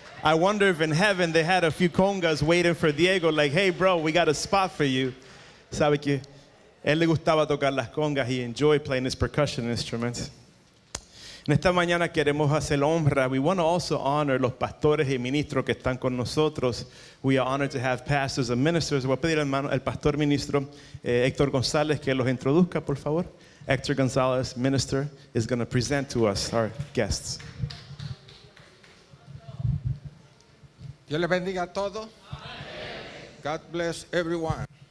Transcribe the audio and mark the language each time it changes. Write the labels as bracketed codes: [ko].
[en] I wonder if in heaven they had a few congas waiting for Diego, like, hey bro, we got a spot for you. [es] Sabe que él le gustaba tocar las congas. [en] He enjoyed playing his percussion instruments. [es] En esta mañana queremos hacer honra. [en] We want to also honor [es] los pastores y ministros que están con nosotros. [en] We are honored to have pastors and ministers. [es] Voy a pedir al pastor ministro Héctor González que los introduzca, por favor. [en] Héctor González, minister, is going to present to us our guests. [es] Dios les bendiga a todos. [en] God bless everyone.